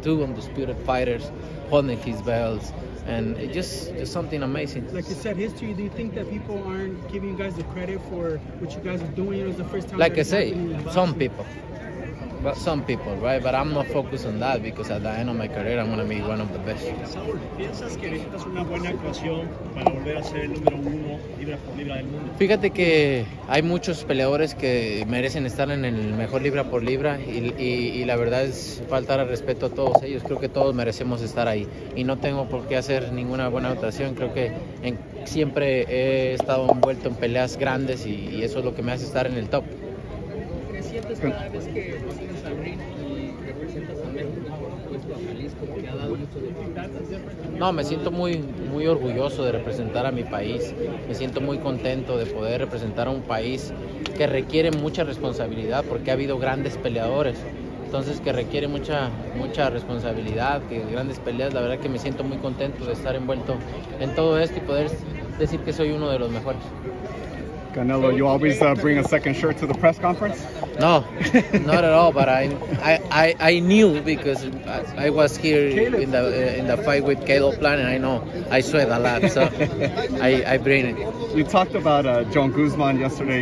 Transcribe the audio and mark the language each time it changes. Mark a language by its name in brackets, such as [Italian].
[English] Two undisputed fighters holding his belts, and it just something amazing. Like you said, history. Do you think that people aren't giving you guys the credit for what you guys are doing? It was the first time. Like I say, some people. But some people, right? But I'm not focused on that because at the end of my career, I'm going to be one of the best. [Spanish] Saúl, ¿piensas que necesitas una buena actuación para volver a ser el número uno libra por libra del mundo? Fíjate que hay muchos peleadores que merecen estar en el mejor libra por libra y la verdad es faltar al respeto a todos ellos. Creo que todos merecemos estar ahí y no tengo por qué hacer ninguna buena actuación. Creo que siempre he estado envuelto en peleas grandes y eso es lo que me hace estar en el top. No, me siento muy, muy orgulloso de representar a mi país. Me siento muy contento de poder representar a un país que requiere mucha responsabilidad porque ha habido grandes peleadores. Entonces, que requiere mucha, mucha responsabilidad, que grandes peleas. La verdad que me siento muy contento de estar envuelto en todo esto y poder decir que soy uno de los mejores. [English] Canelo, you always bring a second shirt to the press conference? No, not at all. But I knew because I was here in the fight with Caleb Plant, and I know I sweat a lot, so I bring it. You talked about Joan Guzman yesterday.